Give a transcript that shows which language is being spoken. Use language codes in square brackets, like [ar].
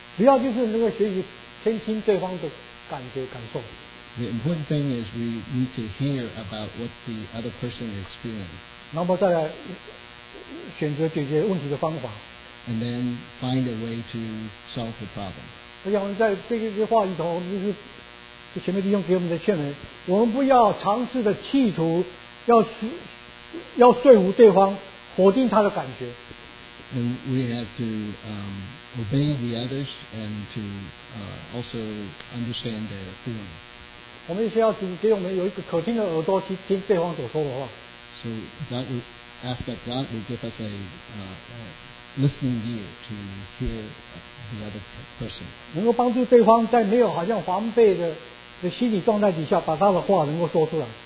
[zh] 主要就是那个学习先听对方的感觉感受。 [en] The important thing is we need to hear about what the other person is feeling. [zh] 然后再来选择解决问题的方法。 [en] And then find a way to solve the problem. [zh] 而且我们在这个话里头，就是前面弟兄给我们的劝勉，我们不要尝试的企图要说服对方，否定他的感觉。 [en] And we have to obey the others and to also understand their feelings. [zh] 我们需要给我们有一个可听的耳朵去听对方所说的话。 [en] So God would ask that God would give us a listening ear to hear the other person. [zh] 能够帮助对方在没有好像防备的心理状态底下，把他的话能够说出来。